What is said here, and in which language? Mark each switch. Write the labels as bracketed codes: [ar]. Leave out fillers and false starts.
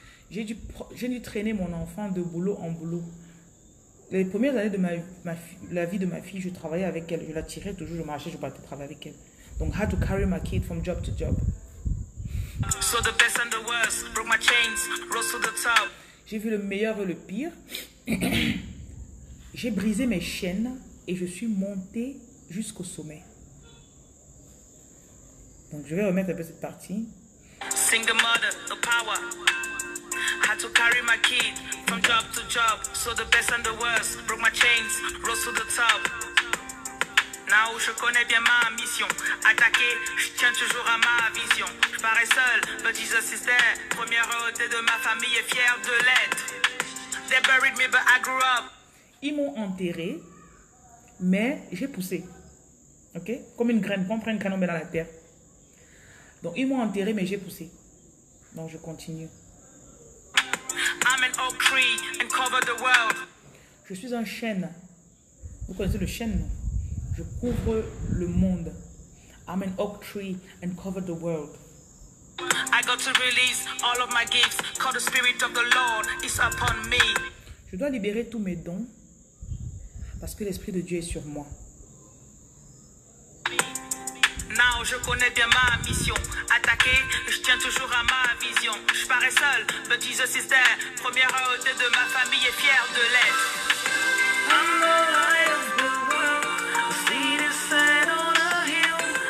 [fr] J'ai dû traîner mon enfant de boulot en boulot. Les premières années de la vie de ma fille, je travaillais avec elle. Je la tirais toujours, je marchais, je partais travailler avec elle. [en] Donc, I had to carry my kid from job to job. So the best and the worst, broke my chains, rose to the top. [fr] J'ai vu le meilleur et le pire. J'ai brisé mes chaînes et je suis montée jusqu'au sommet. Donc, je vais remettre un peu cette partie. [en] Single mother, the power. Had to carry my kid from job to job, so the best and the worst, broke my chains, rose to the top. [fr] Now je connais bien ma mission, attaquer, je tiens toujours à ma vision. Je parais seul, [en] but Jesus is there, [fr] première hôte de ma famille est fière de l'être. [en] They buried me, but I grew up. [fr] Ils m'ont enterré, mais j'ai poussé, ok? Comme une graine, quand on prend une graine, on met dans la terre. Donc ils m'ont enterré, mais j'ai poussé. Donc je continue. [en] I'm an oak tree and cover the world. [fr] Je suis un chêne. Vous connaissez le chêne, non? Je couvre le monde. [en] I'm an oak tree and cover the world. I got to release all of my gifts, 'cause the spirit of the Lord is upon me. [fr] Je dois libérer tous mes dons parce que l'esprit de Dieu est sur moi. Now je connais bien ma mission. Attaquer, je tiens toujours à ma vision. Je parais seul, [en] but Jesus is there. [fr] Première hôte de ma famille est fière de l'être. [en] I'm the light of the world. The city set on a hill.